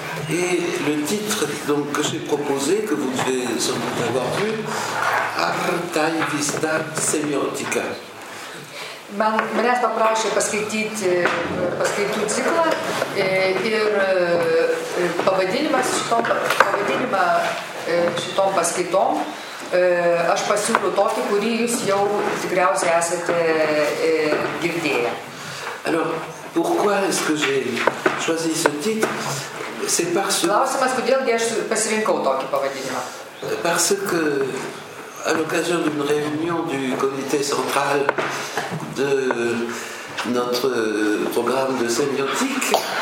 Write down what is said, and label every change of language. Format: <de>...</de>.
<fr>Et le titre donc, que j'ai proposé, que vous devez sans doute avoir vu, Artai Vista Semiotica.</fr> <lt>Manęs paprašė paskaityti ciklą ir pavadinimą šitom paskaitom. Aš pasiūliau tokį, kurį jūs jau tikriausiai esate girdėję.</lt> <fr>Alors, pourquoi est-ce que j'ai choisi ce titre? C'est parce...</fr> <lt>Klausimas, kodėl aš pasirinkau tokį pavadinimą?</lt> <fr>Parce que à l'occasion d'une réunion du comité central de notre programme de sémiotique.</fr>